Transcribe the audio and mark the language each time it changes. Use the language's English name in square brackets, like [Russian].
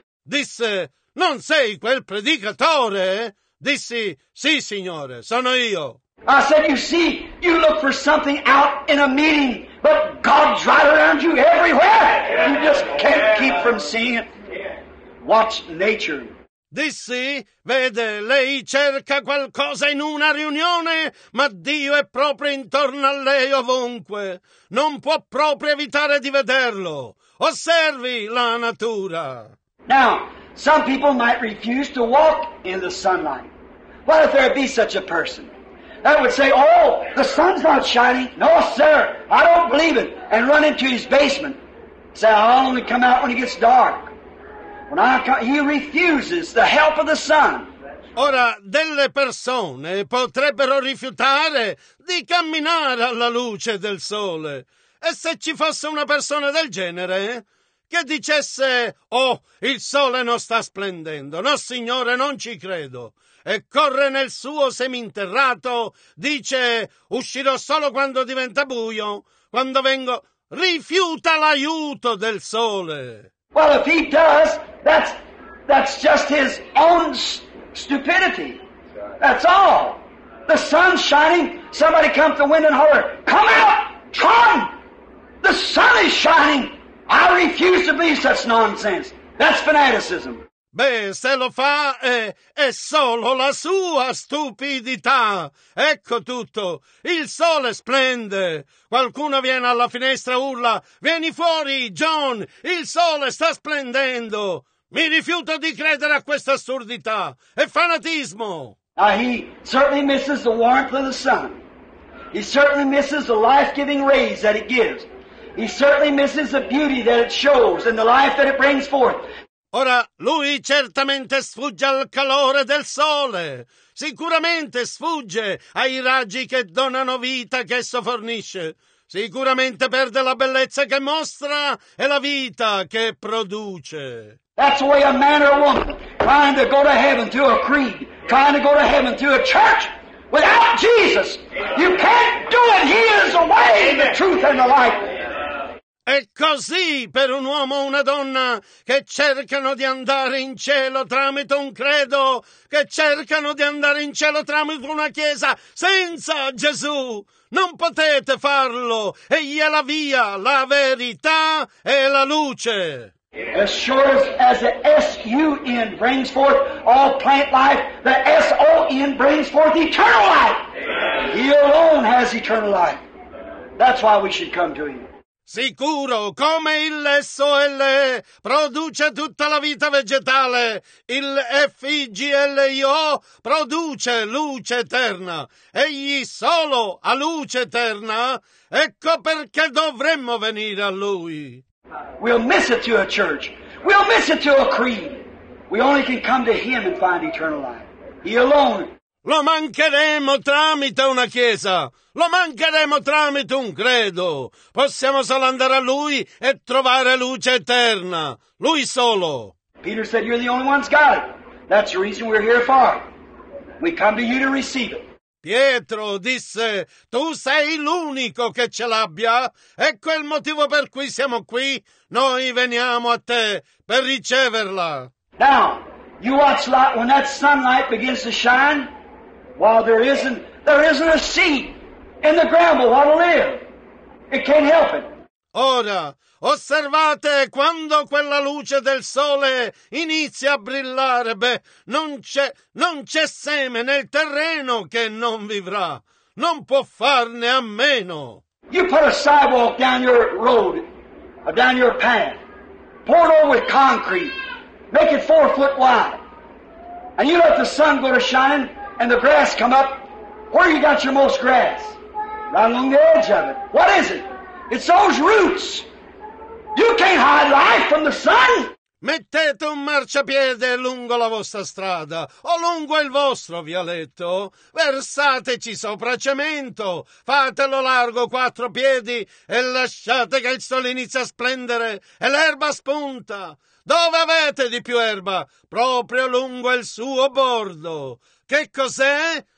[Italian] Disse, non sei quel predicatore? Dissi, sì, signore, sono io. [English] I said, you see, you look for something out in a meeting, but God's right around you everywhere. You just can't keep from seeing it. Watch nature. [Italian] Dissi, vede, lei cerca qualcosa in una riunione, ma Dio è proprio intorno a lei ovunque. Non può proprio evitare di vederlo. Osservi la natura. [English] Now, some people might refuse to walk in the sunlight. What if there be such a person? That would say, oh, the sun's not shining. No, sir, I don't believe it. And run into his basement. Say, I'll only come out when it gets dark. He refuses the help of the sun. [Italian] Ora, delle persone potrebbero rifiutare di camminare alla luce del sole. E se ci fosse una persona del genere, che dicesse, oh, il sole non sta splendendo, no signore, non ci credo, e corre nel suo seminterrato, dice, uscirò solo quando diventa buio, quando vengo, rifiuta l'aiuto del sole. [English] Well, if he does, that's just his own stupidity. That's all. The sun's shining, somebody come to the wind and holler, come out, come! The sun is shining! I refuse to believe such nonsense. That's fanaticism. [Italian] Beh, se lo fa, è solo la sua stupidità. Ecco tutto. Il sole splende. Qualcuno viene alla finestra e urla, vieni fuori, John, il sole sta splendendo. Mi rifiuto di credere a questa assurdità. È fanatismo. [English] He certainly misses the warmth of the sun. He certainly misses the life-giving rays that it gives. He certainly misses the beauty that it shows and the life that it brings forth. [Italian] Ora, lui certamente sfugge al calore del sole. Sicuramente sfugge ai raggi che donano vita che esso fornisce. Sicuramente perde la bellezza che mostra e la vita che produce. [English] That's the way a man or a woman trying to go to heaven through a creed, trying to go to heaven through a church without Jesus. You can't do it. He is the way, the truth and the life. [Italian] È così per un uomo o una donna che cercano di andare in cielo tramite un credo, che cercano di andare in cielo tramite una chiesa senza Gesù. Non potete farlo. Egli è la via, la verità e la luce. [English] As sure as the S-U-N brings forth all plant life, the S-O-N brings forth eternal life. He alone has eternal life. That's why we should come to him. [Italian] Sicuro, come il SOL produce tutta la vita vegetale, il FIGLIO produce luce eterna. Egli solo ha luce eterna, ecco perché dovremmo venire a lui. [English] We'll miss it to a church. We'll miss it to a creed. We only can come to him and find eternal life. He alone. [Italian] Lo mancheremo tramite una chiesa, lo mancheremo tramite un credo. Possiamo solo andare a lui e trovare luce eterna, lui solo. [English] Peter said, you're the only one's got it. That's the reason we're here for. We come to you to receive it. [Italian] Pietro disse, tu sei l'unico che ce l'abbia. Ecco il motivo per cui siamo qui. Noi veniamo a te per riceverla. [English] Now, you watch when that sunlight begins to shine. While there isn't a seed in the ground but what'll live. It can't help it. [Italian] Ora, osservate quando quella luce del sole inizia a brillare, beh, non c'è seme nel terreno che non vivrà. Non può farne a meno. [English] You put a sidewalk down your road, or down your path, pour it over with concrete, make it 4 foot wide, and you let the sun go to shine. And the grass come up, where you got your most grass? Right along the edge of it. What is it? It's those roots. You can't hide life from the sun. [Italian] Mettete un marciapiede lungo la vostra strada o lungo il vostro vialetto. Versateci sopra cemento. Fatelo largo 4 piedi e lasciate che il sole inizi a splendere e l'erba spunta. Dove avete di più erba? Proprio lungo il suo bordo. Che cos'è?